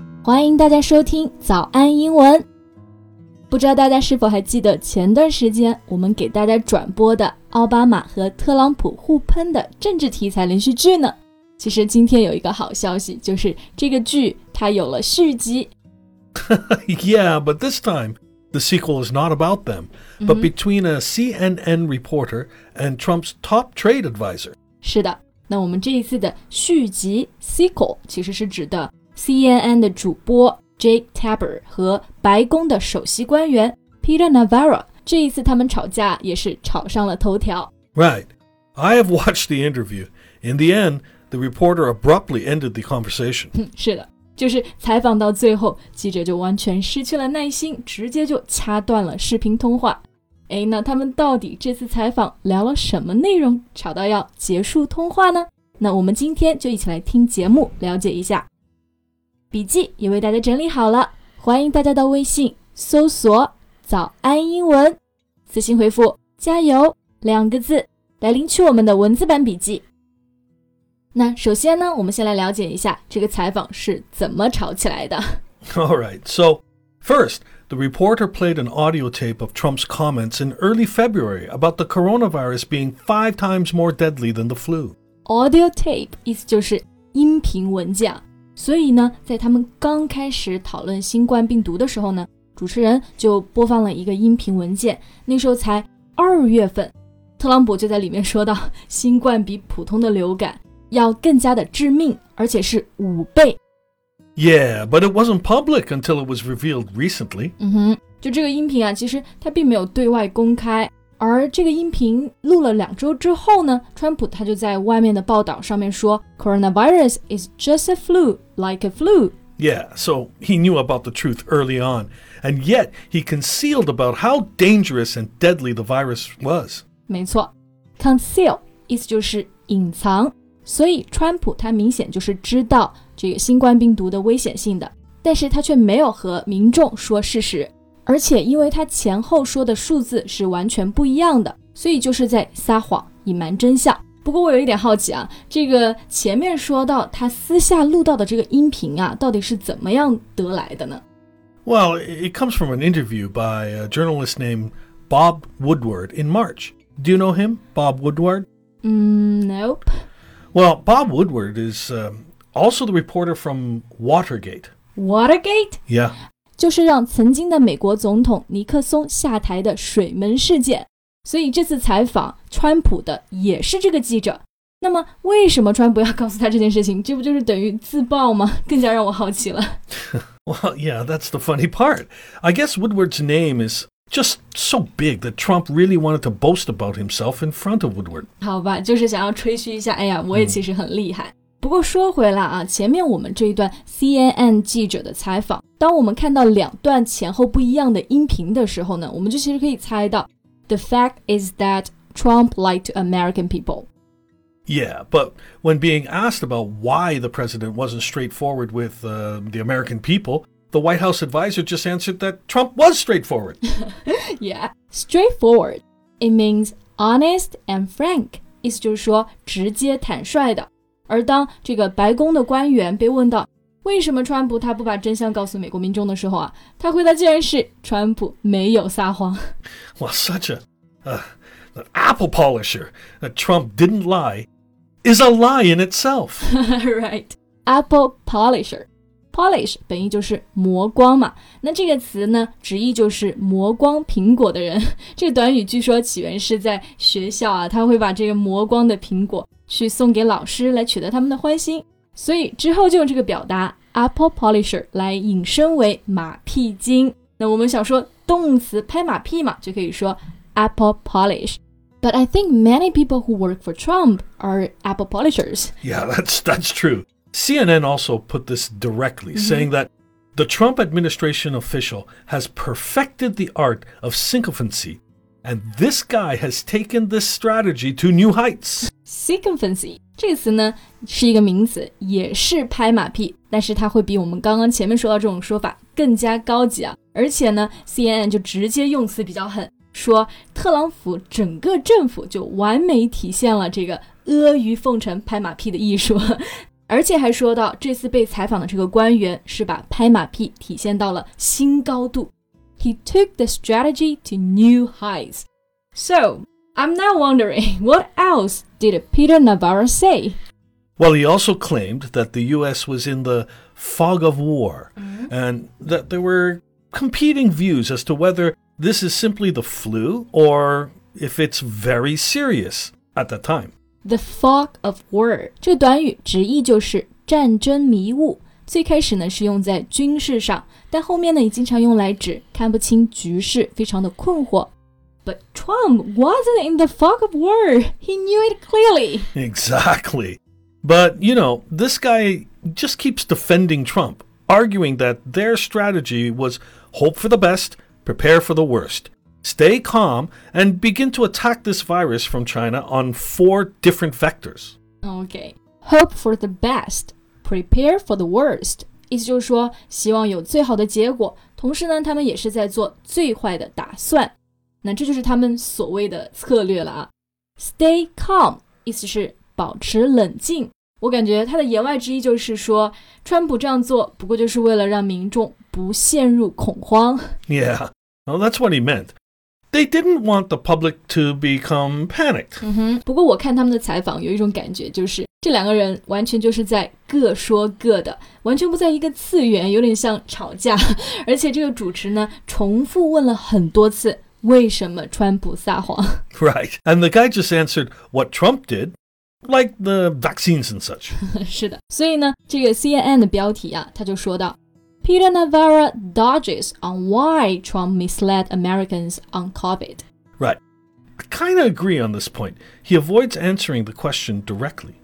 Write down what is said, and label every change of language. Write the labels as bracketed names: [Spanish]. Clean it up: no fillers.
[Chinese] 欢迎大家收听早安英文。不知道大家是否还记得前段时间我们给大家转播的奥巴马和特朗普互喷的政治题材连续剧呢？其实今天有一个好消息，就是这个剧它有了续集。 [English] Yeah, but this time, the sequel is not about them, but between a CNN reporter and Trump's top trade advisor. [Chinese] 是的，那我们这一次的续集 sequel 其实是指的 CNN 的主播 Jake Tapper 和白宫的首席官员 Peter Navarro, 这一次他们吵架也是吵上了头条。 [English] Right, I have watched the interview. In the end, the reporter abruptly ended the conversation. [Chinese] 是的。就是采访到最后，记者就完全失去了耐心，直接就掐断了视频通话。哎，那他们到底这次采访聊了什么内容，吵到要结束通话呢？那我们今天就一起来听节目，了解一下。笔记也为大家整理好了，欢迎大家到微信搜索“早安英文”，私信回复“加油”两个字，来领取我们的文字版笔记。那首先呢，我们先来了解一下这个采访是怎么吵起来的。 [English] All right, so first, the reporter played an audio tape of Trump's comments in early February about the coronavirus being 5 times more deadly than the flu. [Chinese] Audio tape, 意思就是音频文件。所以呢，在他们刚开始讨论新冠病毒的时候呢，主持人就播放了一个音频文件，那时候才二月份，特朗普就在里面说到新冠比普通的流感要更加的致命，而且是五倍。 [English] Yeah, but it wasn't public until it was revealed recently. [Chinese] 嗯哼，就这个音频啊，其实它并没有对外公开。而这个音频录了两周之后呢，川普他就在外面的报道上面说 ， [English] Coronavirus is just a flu, like a flu. Yeah, so he knew about the truth early on, and yet he concealed about how dangerous and deadly the virus was. [Chinese] 没错 ，conceal 意思就是隐藏。所以川普他明显就是知道这个新冠病毒的危险性的，但是他却没有和民众说事实，而且因为他前后说的数字是完全不一样的，所以就是在撒谎隐瞒真相。不过我有一点好奇啊，这个前面说到他私下录到的这个音频啊，到底是怎么样得来的呢？ [English] Well, it comes from an interview by a journalist named Bob Woodward in March. Do you know him, Bob Woodward? Nope. Well, Bob Woodward is also the reporter from Watergate. Watergate? Yeah. [Chinese] 就是让曾经的美国总统尼克松下台的水门事件。所以这次采访川普的也是这个记者。那么为什么川普要告诉他这件事情？这不就是等于自爆吗？更加让我好奇了。 [English] Well, yeah, that's the funny part. I guess Woodward's name is... just so big that Trump really wanted to boast about himself in front of Woodward. [Chinese] 好吧，就是想要吹嘘一下，哎呀，我也其实很厉害。不过说回来啊，前面我们这一段 CNN 记者的采访，当我们看到两段前后不一样的音频的时候呢，我们就其实可以猜到 [English] The fact is that Trump lied to American people. Yeah, but when being asked about why the president wasn't straightforward with the American people,The White House advisor just answered that Trump was straightforward. Yeah, straightforward. It means honest and frank. [Chinese] 意思就是说直接坦率的。而当这个白宫的官员被问到为什么川普他不把真相告诉美国民众的时候啊，他回答竟然是川普没有撒谎。 [English] Well, such an apple polisher that Trump didn't lie is a lie in itself. Right, apple polisher. [Chinese] Polish 本意就是磨光嘛，那这个词呢，直译就是磨光苹果的人。这个短语据说起源是在学校啊，他会把这个磨光的苹果去送给老师来取得他们的欢心，所以之后就用这个表达 apple polisher 来引申为马屁精。那我们想说动词拍马屁嘛，就可以说 apple polish。 [English] But I think many people who work for Trump are apple polishers. Yeah, that's true. CNN also put this directly, saying that the Trump administration official has perfected the art of sycophancy, and this guy has taken this strategy to new heights. [Chinese] Sycophancy, 这个词呢是一个名词，也是拍马屁，但是它会比我们刚刚前面说到这种说法更加高级啊。而且呢 ，CNN 就直接用词比较狠，说特朗普整个政府就完美体现了这个阿谀奉承拍马屁的艺术，而且还说到这次被采访的这个官员是把拍马屁体现到了新高度。 [English] He took the strategy to new heights. So, I'm now wondering, what else did Peter Navarro say? Well, he also claimed that the U.S. was in the fog of war, and that there were competing views as to whether this is simply the flu or if it's very serious at the time. [Chinese] The fog of war, 这短语直译就是战争迷雾。最开始呢是用在军事上，但后面呢也经常用来指看不清局势，非常的困惑。 [English] But Trump wasn't in the fog of war. He knew it clearly. Exactly. But, you know, this guy just keeps defending Trump, arguing that their strategy was hope for the best, prepare for the worst. Stay calm and begin to attack this virus from China on four different vectors. Okay. Hope for the best. Prepare for the worst. [Chinese] 意思就是说希望有最好的结果，同时呢他们也是在做最坏的打算。那这就是他们所谓的策略了啊。 [English] Stay calm. [Chinese] 意思是保持冷静。我感觉他的言外之意就是说川普这样做不过就是为了让民众不陷入恐慌。 [English] Yeah. Well, that's what he meant. They didn't want the public to become panicked. [Chinese] 嗯哼，不过我看他们的采访有一种感觉，就是这两个人完全就是在各说各的，完全不在一个次元，有点像吵架。而且这个主持呢，重复问了很多次，为什么川普撒谎。 [English] Right, and the guy just answered what Trump did, like the vaccines and such. [Chinese] 是的，所以呢，这个 CNN 的标题啊，他就说到 [English] Peter Navarro dodges on why Trump misled Americans on COVID. Right. I kind of agree on this point. He avoids answering the question directly.